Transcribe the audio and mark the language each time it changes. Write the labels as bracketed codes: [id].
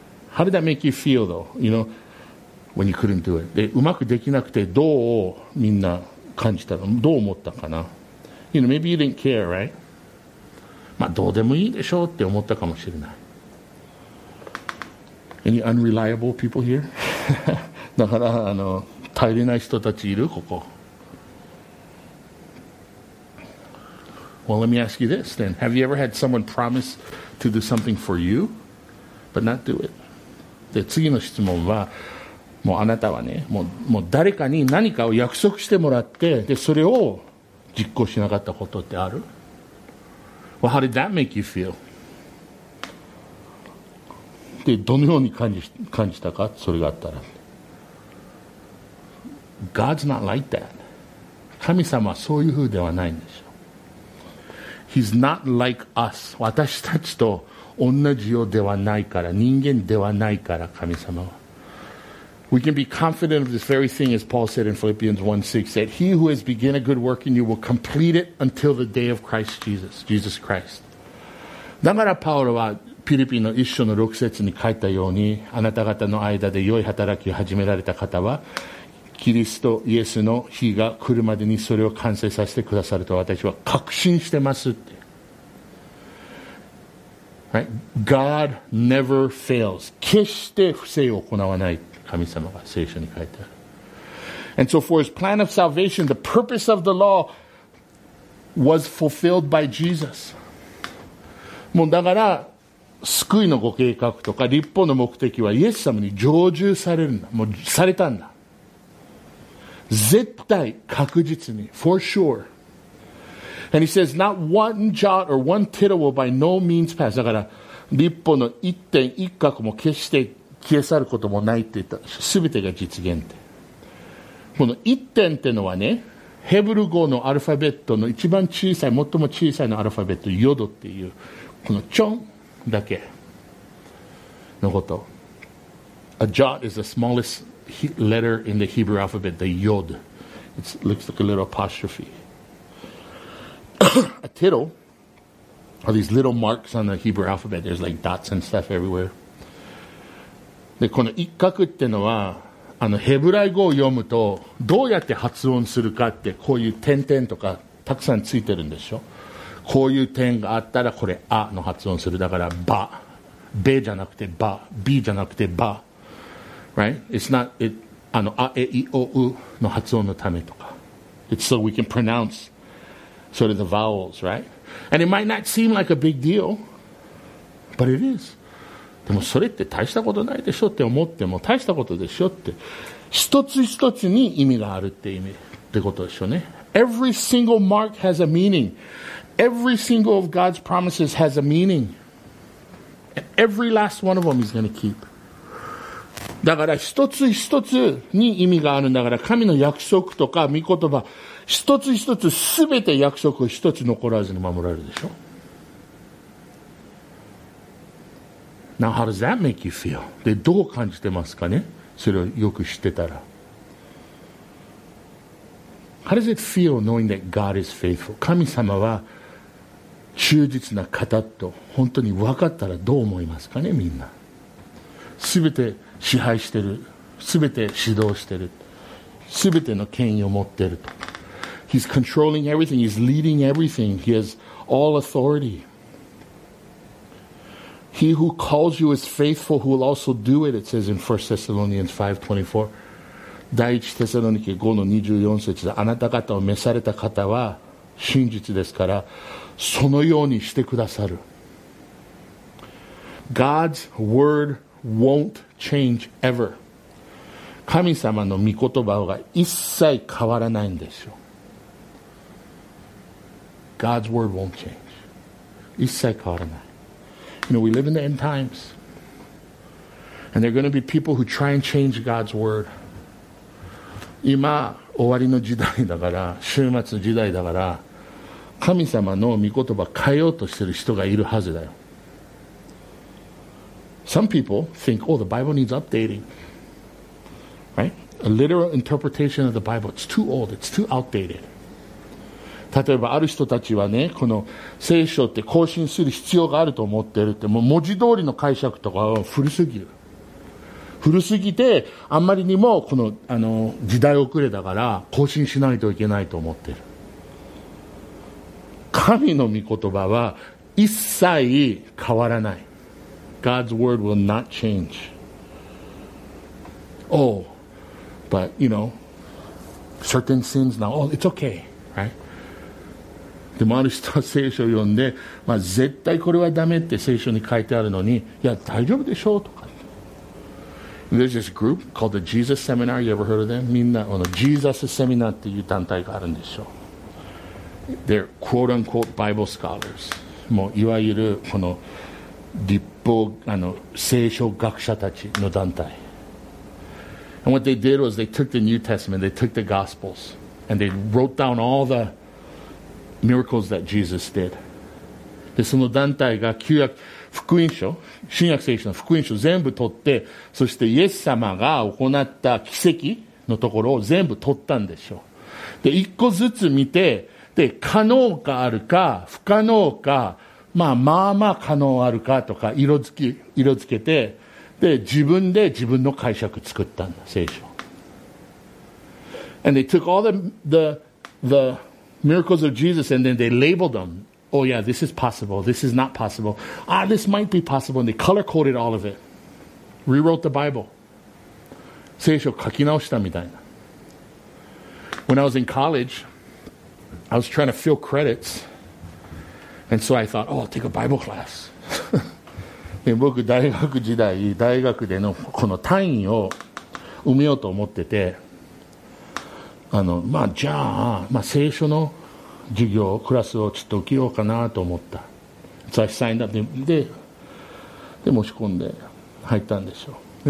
[en] How did that make you feel though? You know, when you couldn't do it. [ja] で、うまくできなくてどうみんな感じたの？どう思ったかな？ [en] You know, maybe you didn't care, right? [ja] まあどうでもいいでしょって思ったかもしれない。 [en] Any unreliable people here? [ja] だからあの頼りない人たちいる？ここ。 [en] Well, let me ask you this then. Have you ever had someone promise to do something for you, but not do it? [ja] で、次の質問は、もうあなたはね、もう誰かに何かを約束してもらって、で、それを実行しなかったことってある？ [en] Well, how did that make you feel? [ja] でどのように感じたか、それがあったら。 [en] God's not like that. [ja] 神様はそういう風ではないんでしょう。 [en] He's not like us. [ja] 私たちと同じようではないから、人間ではないから、神様は。 [en] We can be confident of this very thing as Paul said in Philippians 1:6 that he who has begun a good work in you will complete it until the day of Christ Jesus. Jesus Christ. [ja] だからパウロはフィリピンの1章の6節に書いたように、あなた方の間で良い働きを始められた方はキリストイエスの日が来るまでにそれを完成させてくださると私は確信してますって、right? [en] God never fails. [ja] 決して不正を行わない、神様が聖書に書いてある。 [en] And so for his plan of salvation, the purpose of the law was fulfilled by Jesus. [ja] もうだから救いのご計画とか立法の目的はイエス様に成就されるんだ。もうされたんだ。絶対確実に。 [en] For sure. And he says, not one jot or one tittle will by no means pass. [ja] だから立法の一点一角も決して消え去ることもないって言ったら、すべてが実現って。この一点ってのはね、ヘブル語のアルファベットの一番小さい、最も小さいのアルファベット、ヨドっていう、このチョン。だけのこと。 [en] A jot is the smallest letter in the Hebrew alphabet, the yod. It looks like a little apostrophe. A tittle are these little marks on the Hebrew alphabet. There's like dots and stuff everywhere. [ja] で、この一角ってのは、あのヘブライ語を読むとどうやって発音するかって、こういう点々とかたくさんついてるんでしょ。こういう点があったらこれアの発音する。だからバ、ベじゃなくてバ、ビじゃなくてバ、right? [en] It's not it, [ja] あのアエイオウの発音のためとか。 [en] It's so we can pronounce sort of the vowels, right? And it might not seem like a big deal, but it is. [ja] でもそれって大したことないでしょって思っても大したことでしょって。一つ一つに意味があるって意味ってことでしょうね。 [en] Every single mark has a meaning.Every single of God's promises has a meaning. Every last one of them he's going to keep. [ja] だから一つ一つに意味があるんだから神の約束とか御言葉一つ一つ全て約束を一つ残らずに守られるでしょ。 [en] Now, how does that make you feel? [ja] で、どう感じてますかね？それをよく知ってたら。 [en] How does it feel knowing that God is faithful? [ja] 神様は忠実な方と本当に分かったらどう思いますかね、みんな。すべて支配してる。すべて指導してる。すべての権威を持ってると。 [en] He's controlling everything. He's leading everything. He has all authority. He who calls you is faithful who will also do it, it says in 1 Thessalonians 5:24. [ja] 第1テサロニケ 5-24 節で、あなた方を召された方は真実ですから、そのようにしてくださる。 [en] God's word won't change ever. [ja] 神様の御言葉が一切変わらないんですよ。 [en] God's word won't change. [ja] 一切変わらない。 [en] You know, we live in the end times. And there are going to be people who try and change God's word. [ja] 今、終わりの時代だから、終末の時代だから、神様の御言葉を変えようとしている人がいるはずだよ。 [en] Some people think, oh, the Bible needs updating. Right? A literal interpretation of the Bible. It's too old. It's too outdated. [ja] 例えばある人たちはね、この聖書って更新する必要があると思ってるって、もう文字通りの解釈とかは古すぎる。古すぎて、あんまりにもこの、時代遅れだから更新しないといけないと思ってる。神の御言葉は一切変わらない。 [en] God's word will not change. Oh, but you know, certain sins now, oh, it's okay, right? [ja] でもある人は聖書を読んで、まあ、絶対これはダメって聖書に書いてあるのに、いや大丈夫でしょうとか。 [en] There's this group called the Jesus Seminar. You ever heard of them? [ja] みんなこのジーザスセミナーっていう団体があるんでしょう。 [en] They're quote unquote Bible scholars. [ja] もういわゆるこの立法聖書学者たちの団体。 [en] And what they did was they took the New Testament, they took the Gospels, and they wrote down all theMiracles that Jesus did. [ja] で、その団体が旧約福音書、新約聖書の福音書全部取って、そしてイエス様が行った奇跡のところを全部取ったんでしょう。で、一個ずつ見て、で、可能かあるか、不可能か、まあ、まあまあ可能あるかとか色付けて、で、自分で自分の解釈作ったんだ、聖書。 [en] And they took all the miracles of Jesus, and then they labeled them. Oh yeah, this is possible. This is not possible. Ah, this might be possible. And they color-coded all of it. Rewrote the Bible. [ja] 聖書を書き直したみたいな。 [en] When I was in college, I was trying to fill credits. And so I thought, oh, I'll take a Bible class. [ja] で、僕、大学時代、大学でのこの単位を埋めようと思ってて、まあ、じゃあ、まあ、聖書の授業、クラスをちょっと受けようかなと思った。 [en] So I signed up. [ja] で、申し込んで入ったんでしょう。